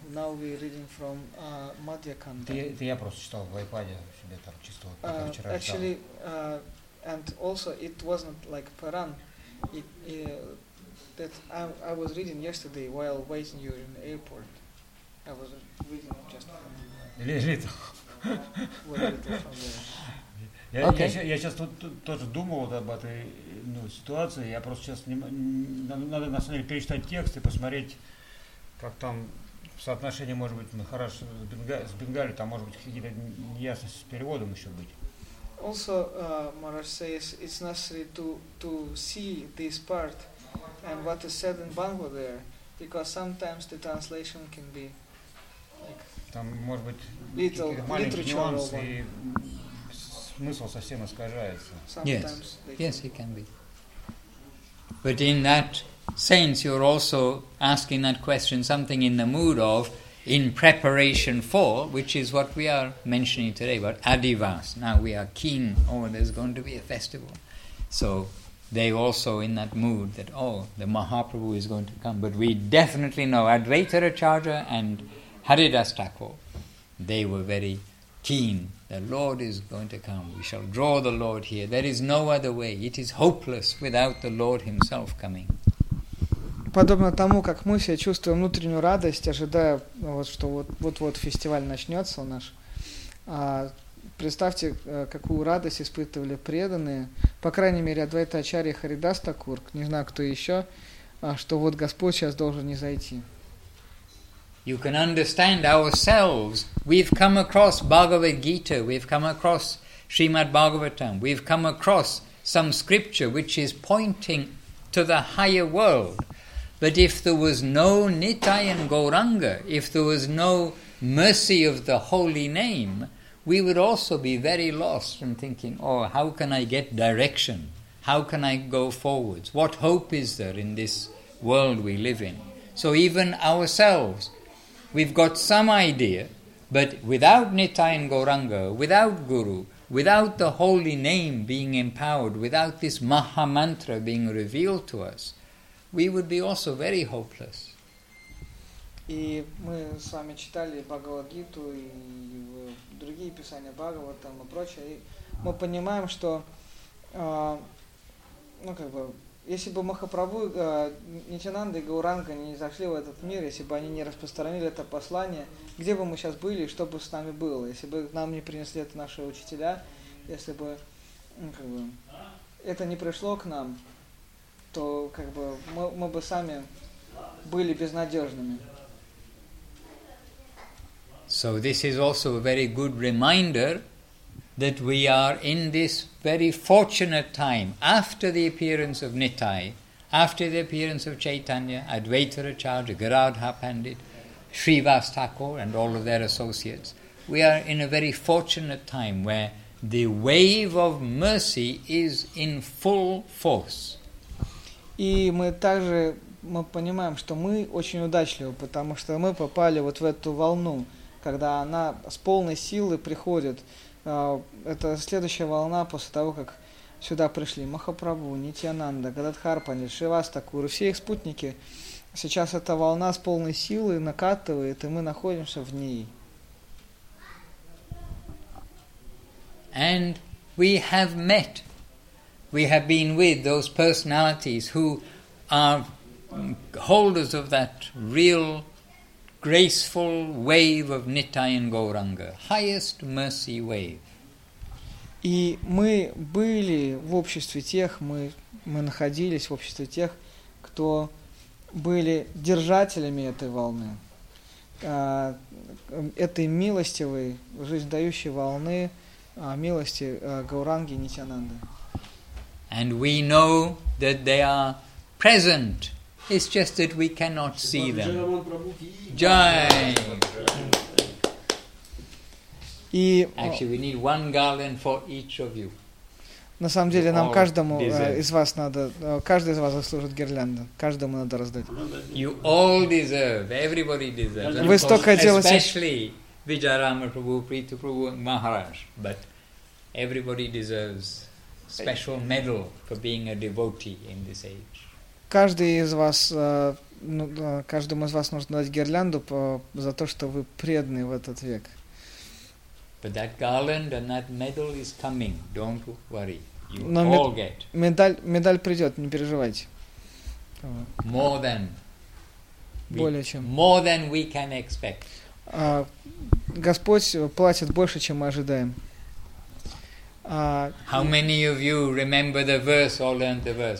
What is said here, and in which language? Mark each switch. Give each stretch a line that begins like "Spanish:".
English: Now we reading from Madhyakanda.
Russian: Это я просто читал в iPad себе там чисто вчера читал.
English: Actually, and also it wasn't like Paran. That I was reading yesterday while waiting you in the airport. I was reading just. Little. Okay.
Russian: Я сейчас тут тоже думал об этой ну, ситуация. Я просто сейчас надо на самом деле перечитать текст и посмотреть, как там соотношение может быть Махараш с Бенгали, там может быть какие-то неясности с переводом еще быть.
English: Also, Maharaj says it's necessary to see this part and what is said in Bangla there, because sometimes the translation can be like
Russian: там, может быть,
English: little literature
Russian: нюансы, и смысл совсем искажается.
English: Yes, yes, it can be. But in that sense, you're also asking that question, something in the mood of in preparation for, which is what we are mentioning today about Adivas. Now we are keen, oh, there's going to be a festival. So they also in that mood that, oh, the Mahaprabhu is going to come. But we definitely know Advaita Acharya and Haridas Thakur, they were very keen. The Lord is going to come. We shall draw the Lord here. There is no other way. It is hopeless without the Lord himself coming.
Russian: Подобно тому, как мы себя чувствуем внутреннюю радость, ожидая, вот, что вот-вот фестиваль начнется у нас, представьте, какую радость испытывали преданные, по крайней мере, Адвайта Ачарья и Харидас Такур, не знаю, кто еще, что вот Господь сейчас должен изойти.
English: You can understand ourselves. We've come across Bhagavad Gita, we've come across Srimad Bhagavatam, we've come across some scripture which is pointing to the higher world. But if there was no Nityan Gauranga, if there was no mercy of the holy name, we would also be very lost in thinking, oh, how can I get direction? How can I go forwards? What hope is there in this world we live in? So even ourselves, we've got some idea, but without Nityan Gauranga, without Guru, without the holy name being empowered, without this Maha Mantra being revealed to us, we would be also very hopeless.
Russian: И мы с вами читали Бхагавад-гиту и другие писания Бхагаватам и прочее. И мы понимаем, что ну как бы, если бы Махапрабху, Нитянанда и Гауранга не зашли в этот мир, если бы они не распространили это послание, где бы мы сейчас были, что бы с нами было, если бы нам не принесли это наши учителя, если бы ну как бы это не пришло к нам, то как бы мы бы сами были безнадежными.
English: So this is also a very good reminder that we are in this very fortunate time after the appearance of Nittai, after the appearance of Chaitanya, Advaita Acharya, Garadha Pandit, Srivas Thakur and all of their associates. We are in a very fortunate time where the wave of mercy is in full force.
Russian: И мы также мы понимаем, что мы очень удачливы, потому что мы попали вот в эту волну, когда она с полной силы приходит. Это следующая волна после того, как сюда пришли Махапрабху, Нитьянанда, Гададхар Пандит, Шривас Такур, все их спутники. Сейчас эта волна с полной силы накатывает, и мы находимся в ней.
English: And we have met. We have been with those personalities who are holders of that real graceful wave of Nityan Gauranga, highest mercy wave.
Russian: И мы были в обществе тех, мы находились в обществе тех, кто были держателями этой волны, этой милостивой, жизнедающей волны, милости Гауранги и Нитьянанды.
English: And we know that they are present. It's just that we cannot see them. Jai! Actually, we need one garland for each of you.
Russian: На самом деле, нам каждому из вас надо, каждый из вас заслужит гирлянду. Каждому надо раздать.
English: You all deserve, everybody deserves.
Russian: Вы столько делаете.
English: Especially Vijayarama Prabhu, Prithu Prabhu, Maharaj. But everybody deserves special medal for being a devotee in this age.
Russian: Каждый из вас, каждому из вас нужно дать гирлянду за то, что вы преданы в этот век.
English: But that garland and that medal is coming. Don't worry. You all get.
Russian: Медаль придет, не переживайте.
English: More than we can expect.
Russian: Господь платит больше, чем мы ожидаем.
English: How many of you remember the verse or learned the verse?